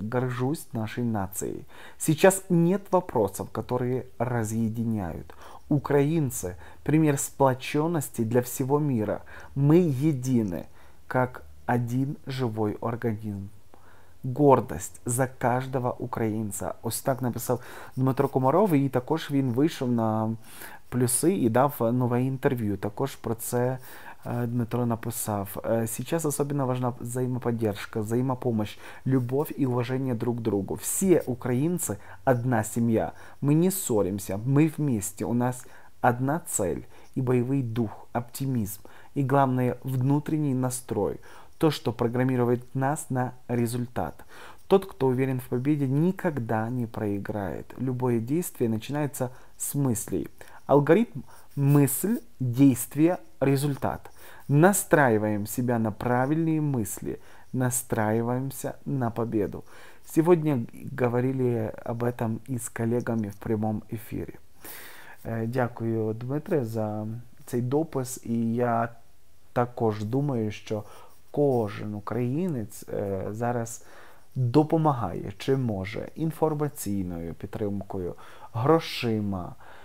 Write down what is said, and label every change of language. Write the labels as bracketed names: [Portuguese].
[Russian] Горжусь нашей нацией. Сейчас нет вопросов, которые разъединяют. Украинцы – пример сплоченности для всего мира. Мы едины, как один живой организм. Гордость за каждого украинца. [Ukrainian] Ось так написав Дмитро Комаров, і також він вийшов на плюси і дав нове інтерв'ю. Також про це Дмитро написав: [Russian] «Сейчас особенно важна взаимоподдержка, взаимопомощь, любовь и уважение друг к другу. Все украинцы – одна семья. Мы не ссоримся, мы вместе. У нас одна цель и боевой дух, оптимизм и, главное, внутренний настрой. То, что программирует нас на результат. Тот, кто уверен в победе, никогда не проиграет. Любое действие начинается с мыслей. Алгоритм – мысль, действие, результат. Настраиваем себя на правильные мысли, настраиваемся на победу». Сегодня говорили об этом и с коллегами в прямом эфире. [Ukrainian] Дякую, Дмитре, за цей допис. И я також думаю, что кожен українець зараз допомагає, чи може, інформаційною підтримкою, грошима.